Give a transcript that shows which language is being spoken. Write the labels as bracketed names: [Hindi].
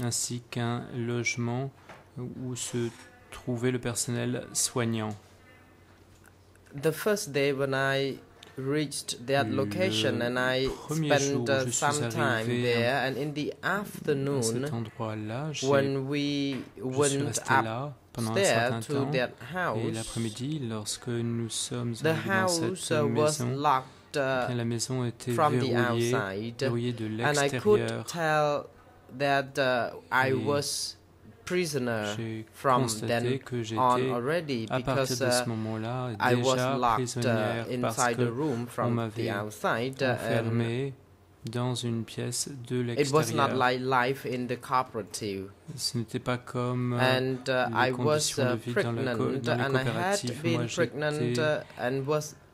[French] Ainsi qu'un logement où se trouvait le personnel soignant. [English] The first day when I reached that location and I spent some time there and in the afternoon when we went up [French] pendant un certain temps et l'après-midi lorsque nous sommes arrivés dans cette maison. La maison était verrouillée de l'extérieur. [English] That, I was prisoner from then [French] que j'étais [English] already, [French] à partir de ce moment-là déjà prisonnière parce que on m'avait enfermé dans une pièce de l'extérieur. [English] It was not like life in the cooperative. [French] Ce n'était pas comme les conditions de vie dans les coopératives.